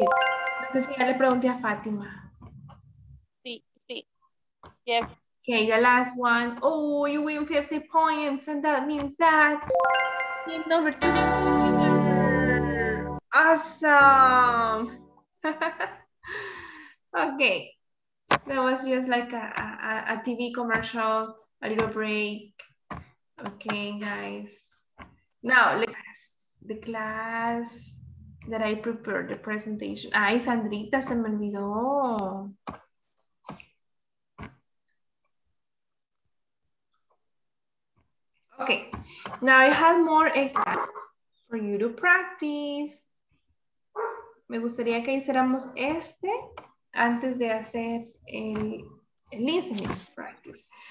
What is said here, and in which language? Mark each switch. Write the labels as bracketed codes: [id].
[es] No sé si ya le pregunté a Fátima. Sí, sí. Yes. [en] Okay, the last one. Oh, you win 50 points, and that means that team number two is the winner. Awesome. Okay, that was just like a TV commercial, a little break. Okay, guys. Now, let's the class that I prepared, the presentation. [es] Ay, Sandrita, se me olvidó. [en] Okay, now I have more exercises for you to practice. [es] Me gustaría que hiciéramos este antes de hacer el listening practice.